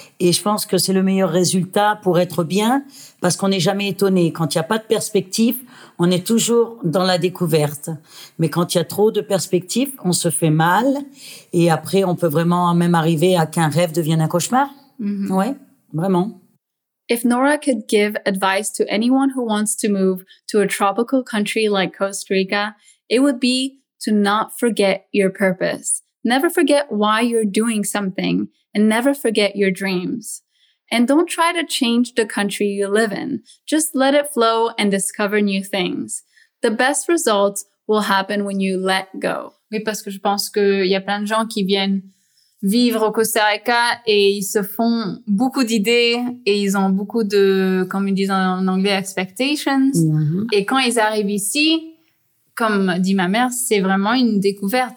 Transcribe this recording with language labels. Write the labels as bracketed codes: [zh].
[fr] Et je pense que c'est le meilleur résultat pour être bien, parce qu'on n'est jamais étonné. Quand il n'y a pas de perspective, on est toujours dans la découverte. Mais quand il y a trop de perspectives, on se fait mal. Et après, on peut vraiment même arriver à qu'un rêve devienne un cauchemar. Mm-hmm. Oui, vraiment. [en] If Nora could give advice to anyone who wants to move to a tropical country like Costa Rica, it would be to not forget your purpose. Never forget why you're doing something and never forget your dreams. And don't try to change the country you live in. Just let it flow and discover new things. The best results will happen when you let go. [fr] Oui, parce que je pense qu'il y a plein de gens qui viennent vivre au Costa Rica et ils se font beaucoup d'idées et ils ont beaucoup de, comme ils disent en anglais, expectations. Mm-hmm. Et quand ils arrivent ici, comme dit ma mère, c'est vraiment une découverte.